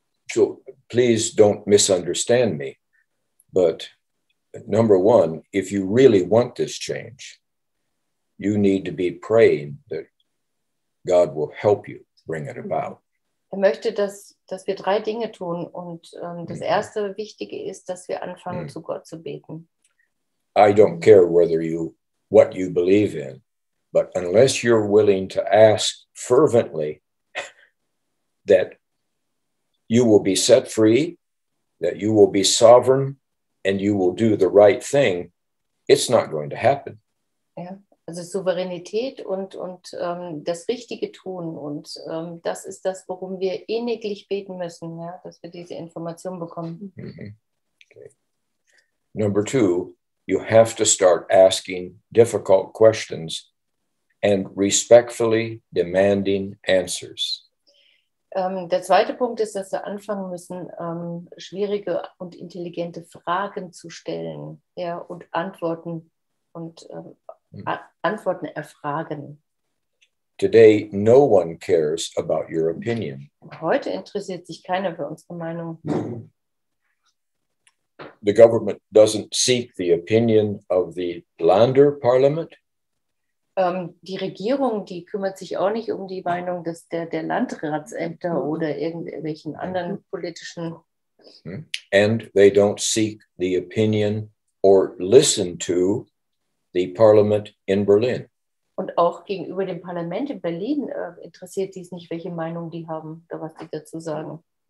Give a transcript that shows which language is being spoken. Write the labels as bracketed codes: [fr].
[en] So please don't misunderstand me. But number one, if you really want this change, you need to be praying that God will help you bring it about. [de] Er möchte, dass wir drei Dinge tun. Und das erste Wichtige ist, dass wir anfangen, zu Gott zu beten. [en] I don't care whether you, what you believe in, but unless you're willing to ask fervently that you will be set free, that you will be sovereign, and you will do the right thing, it's not going to happen. [de] Ja, also Souveränität und das Richtige tun. Und das ist das, worum wir inniglich beten müssen, ja, dass wir diese Information bekommen. [en] Okay. Number two, you have to start asking difficult questions and respectfully demanding answers. [de] Der zweite Punkt ist, dass wir anfangen müssen, schwierige und intelligente Fragen zu stellen, ja, und Antworten und Antworten erfragen. [en] Today no one cares about your opinion. [de] Heute interessiert sich keiner für unsere Meinung. [en] The government doesn't seek the opinion of the Lander Parliament. [de] Die Regierung, die kümmert sich auch nicht um die Meinung des der Landratsämter oder irgendwelchen anderen politischen. [en] And they don't seek the opinion or listen to the Parliament in Berlin. [de] Und auch gegenüber dem Parlament in Berlin interessiert dies nicht, welche Meinung die haben, da was die dazu sagen.